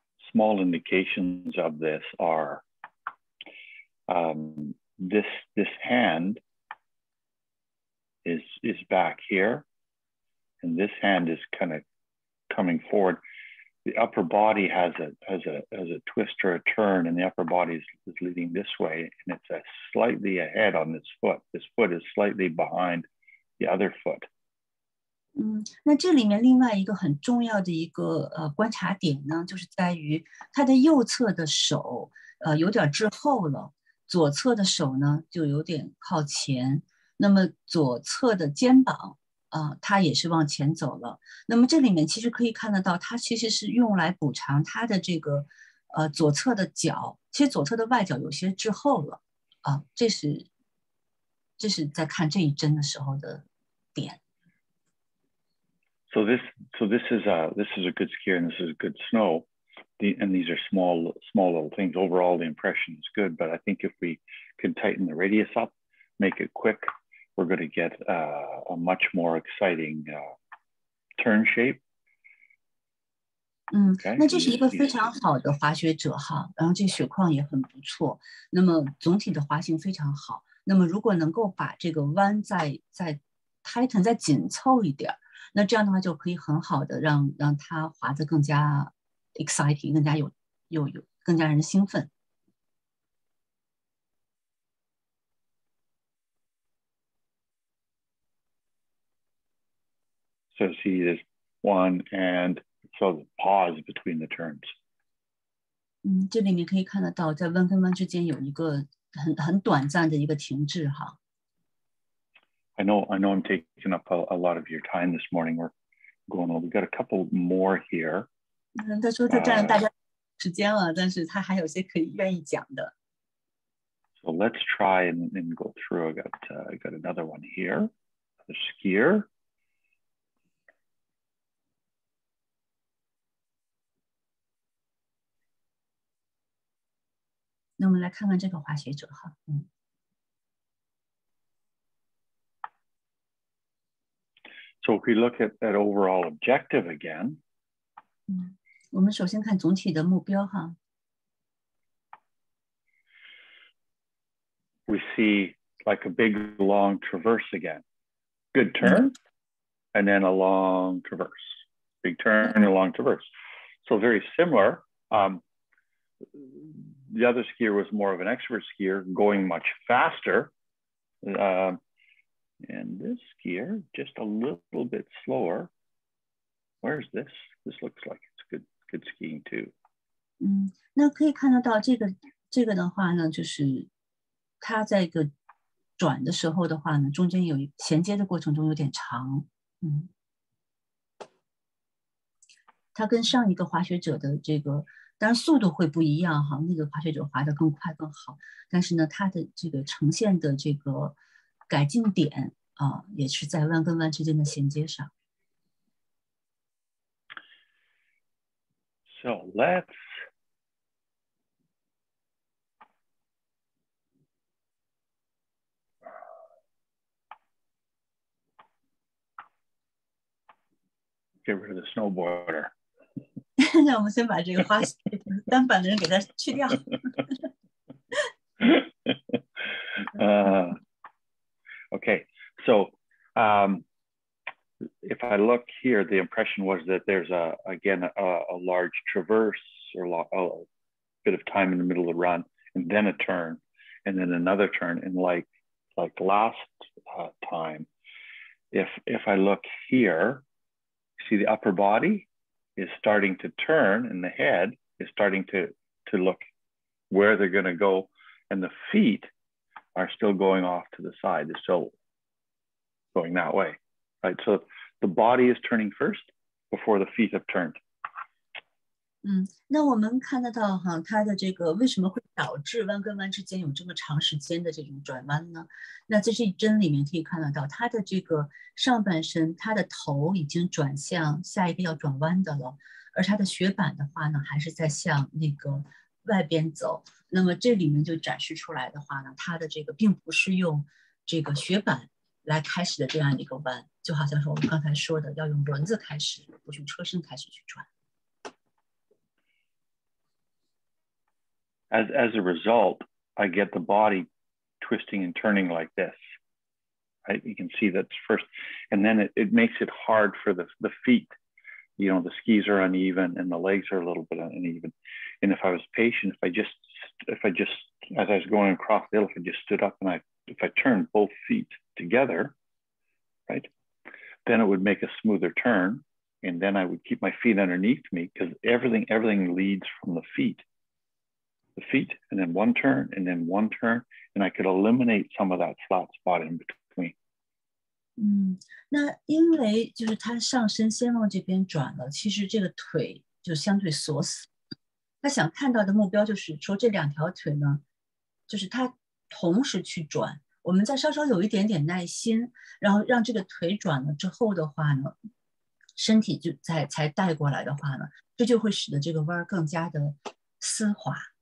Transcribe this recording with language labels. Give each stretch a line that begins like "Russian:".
English: small indications of this are this hand is back here, and this hand is kind of coming forward. The upper body has a twist or a turn, and the upper body is leading this way, and it's a slightly ahead on this foot. This foot is slightly behind the other foot.
Chinese: 嗯，那这里面另外一个很重要的一个观察点呢，就是在于他的右侧的手有点滞后了，左侧的手呢就有点靠前。那么左侧的肩膀他也是往前走了。那么这里面其实可以看得到，他其实是用来补偿他的这个左侧的脚，其实左侧的外脚有些滞后了啊。这是在看这一针的时候的点。
English: So this is a good skier, and this is a good snow. And these are small little things. Overall, the impression is good, but I think if we can tighten the radius up, make it quick, we're going to get a much more exciting turn shape.
Chinese: 嗯，那这是一个非常好的滑雪者哈，然后这雪况也很不错。那么总体的滑行非常好。那么如果能够把这个弯再 tighten 再紧凑一点。那这样的话就可以很好的让他滑得更加 exciting， 更加有更加人兴奋。
English: So see this one and so the pause between the turns。
Chinese: 嗯，这里面可以看得到，在弯跟弯之间有一个很短暂的一个停滞哈。
English: I know I'm taking up a lot of your time this morning. We're going over. We've got a couple more here.
Chinese: 嗯，他说他占了大家时间了，但是他还有些可以愿意讲的。
English: So let's try and go through. I got another one here. The skier. Now we'll look at this
Chinese: 滑雪者哈，嗯。
English: So if we look at that overall objective again,
Chinese: 嗯，我们首先看总体的目标哈。
English: We see like a big long traverse again. Good turn, and then a long traverse. Big turn and a long traverse. So very similar. The other skier was more of an expert skier, going much faster. And this skier, just a little bit slower. Where's this? This looks like it's good skiing too.
Chinese: 嗯，那可以看得到这个的话呢，就是它在一个转的时候的话呢，中间有衔接的过程中有点长。嗯，它跟上一个滑雪者的这个，当然速度会不一样哈，那个滑雪者滑得更快更好，但是呢，它的这个呈现的这个。改进点啊，也是在弯跟弯之间的衔接上。
English: So let's get rid of the snowboarder.
Chinese: 那我们先把这个滑雪单板的人给他去掉。
English: Okay, so if I look here, the impression was that there's a large traverse or a bit of time in the middle of the run, and then a turn, and then another turn. And like last time, if I look here, see the upper body is starting to turn, and the head is starting to look where they're going to go, and the feet are still going off to the side. They're still going that way, right? So the body is turning first before the feet have turned.
Chinese: 嗯，那我们看得到哈，它的这个为什么会导致弯跟弯之间有这么长时间的这种转弯呢？那在这一针里面可以看得到，它的这个上半身，它的头已经转向下一个要转弯的了，而它的雪板的话呢，还是在向那个。外边走，那么这里面就展示出来的话呢，它的这个并不是用这个雪板来开始的这样一个弯，就好像是我们刚才说的，要用轮子开始，不用车身开始去转。
English: as a result, I get the body twisting and turning like this. Right? You can see that's first, and then it makes it hard for the feet. You know, the skis are uneven and the legs are a little bit uneven. And if I was patient, if I turned both feet together, right, then it would make a smoother turn. And then I would keep my feet underneath me because everything leads from the feet, and then one turn, and then one turn, and I could eliminate some of that flat spot in between.
Chinese: 那因为就是他上身先往这边转了，其实这个腿就相对锁死。他想看到的目标就是说这两条腿呢，就是他同时去转。我们再稍稍有一点点耐心，然后让这个腿转了之后的话呢，身体就才带过来的话呢，这就会使得这个弯更加的丝滑。